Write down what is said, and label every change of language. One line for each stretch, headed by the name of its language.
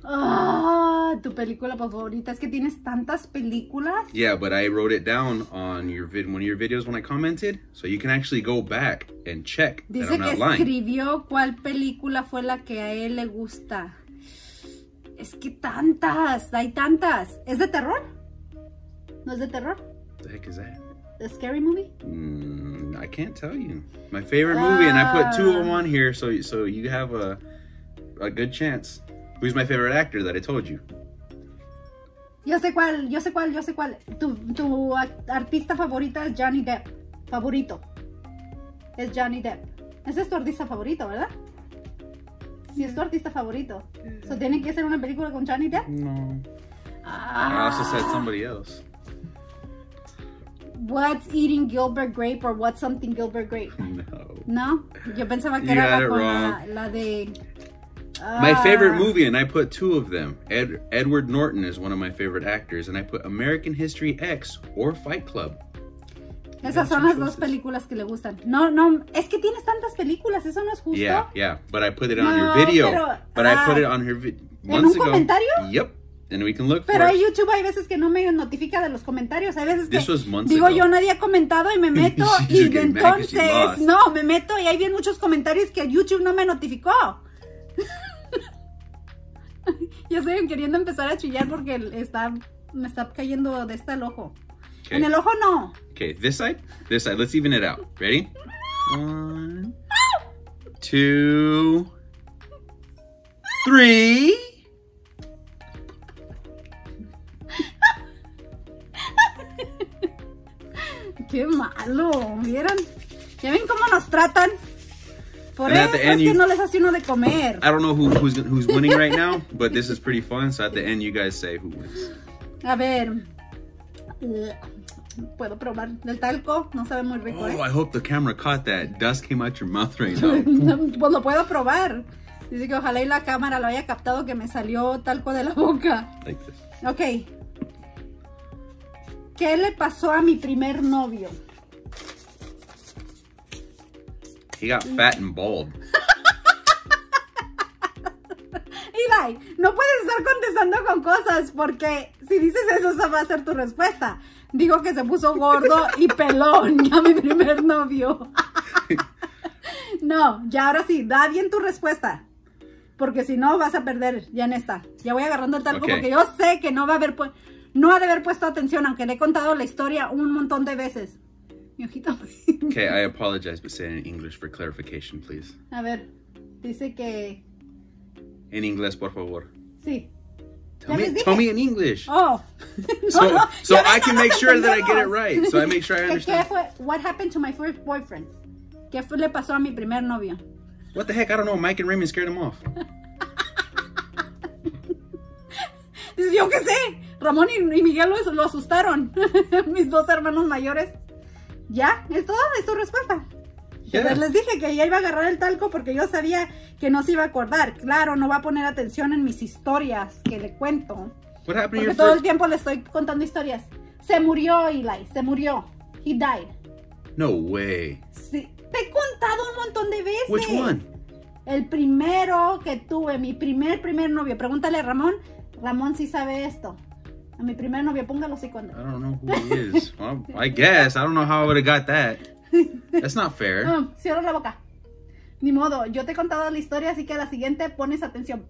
Spanish: Ah, tu película favorita. Es que tienes tantas películas.
English: Yeah, but I wrote it down on your one of your videos when I commented. So you can actually go back and check
Spanish: dice
English: that I'm not lying.
Spanish: Dice que escribió cuál película fue la que a él le gusta. Es que tantas. Hay tantas. ¿Es de terror? ¿No es de terror?
English: The heck is that? A scary movie? I can't tell you. My favorite movie. And I put two of them on here. So you have a... a good chance. Who's my favorite actor that I told you?
Spanish: Yo sé cuál. Tu artista favorita es Johnny Depp. Favorito. Es Johnny Depp. Ese es tu artista favorito, ¿verdad? Sí, es tu artista favorito. So, ¿tiene que ser una película con Johnny Depp? No. Ah.
English: I also said somebody else. What's eating Gilbert Grape or what's something Gilbert Grape? No.
Spanish: No? Yo pensaba que
English: you
Spanish: era
English: got it
Spanish: con
English: wrong.
Spanish: La de...
English: My favorite movie, and I put two of them. Edward Norton is one of my favorite actors, and I put American History X or Fight Club.
Spanish: Esas son las dos películas que le gustan. No, es que tienes tantas películas, eso no es justo.
English: Yeah, but I put it on your video. But I put it on her video.
Spanish: ¿En un comentario?
English: Yep, and we can look for it.
Spanish: Pero YouTube hay veces que no me notifica de los comentarios. Hay veces que
English: this was months
Spanish: digo
English: ago.
Spanish: Yo nadie ha comentado y me meto y entonces no, me meto y hay bien muchos comentarios que YouTube no me notificó. Yo estoy queriendo empezar a chillar porque me está cayendo de esta el ojo.
English: Okay.
Spanish: En el ojo no.
English: Okay, this side. Let's even it out. Ready? One, two, three.
Spanish: Qué malo. Vieron. Ya ven cómo nos tratan.
English: And at the end,
Spanish: es que no les hace uno de comer.
English: I don't know who's winning right now, but this is pretty fun. So at the end, you guys say who wins.
Spanish: A ver, puedo probar el talco. No sabe muy rico. Oh, ¿eh?
English: I hope the camera caught that. Dust came out your mouth right now.
Spanish: Pues lo puedo probar. Dice que ojalá y la cámara lo haya captado que me salió talco de la boca.
English: Like this. Okay.
Spanish: ¿Qué le pasó a mi primer novio?
English: He got fat and bald.
Spanish: Eli, no puedes estar contestando con cosas porque si dices eso, esa va a ser tu respuesta. Digo que se puso gordo y pelón a mi primer novio. No, ya ahora sí, da bien tu respuesta. Porque si no, vas a perder ya en esta. Ya voy agarrando el talco porque yo sé que no va a haber, no ha de haber puesto atención, aunque le he contado la historia un montón de veces.
English: Okay, I apologize, but say it in English for clarification, please.
Spanish: A ver, dice que... En inglés, por favor. Sí.
English: Tell me in English. Oh. So I can make sure that I get it right. So I make sure I understand. What happened to my first boyfriend?
Spanish: ¿Qué fue le pasó a mi primer novio?
English: What the heck? I don't know. Mike and Raymond scared him off.
Spanish: Dice, yo qué sé. Ramón y Miguel lo asustaron. Mis dos hermanos mayores. Ya, es todo, es tu respuesta. Yeah. Pues les dije que ya iba a agarrar el talco porque yo sabía que no se iba a acordar. Claro, no va a poner atención en mis historias que le cuento.
English: What happened
Spanish: porque todo el tiempo le estoy contando historias. Se murió, Eli, se murió.
English: He died. No way.
Spanish: Sí, te he contado un montón de veces.
English: Which one?
Spanish: El primero que tuve, mi primer novio. Pregúntale a Ramón. Ramón sí sabe esto. A mi primer novio, póngalo así cuando.
English: I don't know who he is. Well, I guess. I don't know how I would have got that. That's not fair.
Spanish: Cierra la boca. Ni modo. Yo te he contado la historia, así que a la siguiente pones atención.